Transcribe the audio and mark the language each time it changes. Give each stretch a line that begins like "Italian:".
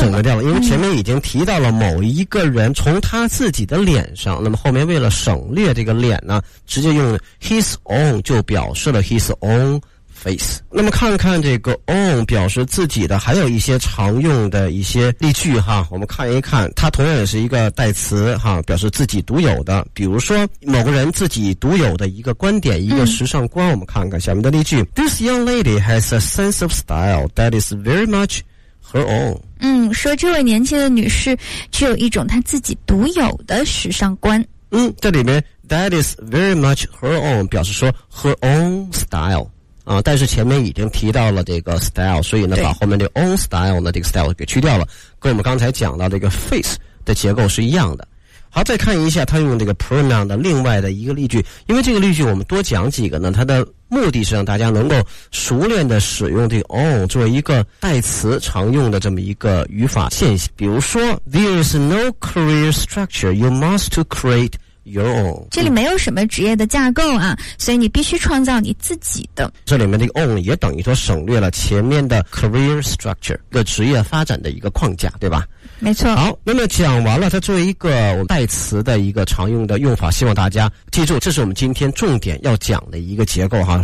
Chinese: 省略掉了，因为前面已经提到了某一个人从他自己的脸上、嗯，那么后面为了省略这个脸呢，直接用
English: his own
Chinese: 就表示了
English: his own face。
Chinese: 那么看看这个 own 表示自己的还有一些常用的一些例句哈，我们看一看，它同样也是一个代词哈，表示自己独有的，比如说某个人自己独有的一个观点，一个时尚观、嗯、我们看看下面的例句，
English: This young lady has a sense of style that is very much her own。
Chinese: 嗯，说这位年轻的女士具有一种她自己独有的时尚观。嗯，这里面
English: that is very much her own
Chinese: 表示说
English: her own style
Chinese: 啊，但是前面已经提到了这个 style， 所以呢把后面的
English: own style
Chinese: 呢这个 style 给去掉了，跟我们刚才讲到这个 face 的结构是一样的。好，再看一下他用这个 pronoun 的另外的一个例句，因为这个例句我们多讲几个呢，它的目的是让大家能够熟练的使用这个 own 作为一个代词常用的这么一个语法现象。比如说
English: There is no career structure you must create your own，
Chinese: 这里没有什么职业的架构啊、嗯、所以你必须创造你自己的。这里面这个 own 也等于说省略了前面的 career structure， 一个职业发展的一个框架，对吧？没错。好，那么讲完了它作为一个代词的一个常用的用法，希望大家记住这是我们今天重点要讲的一个结构哈。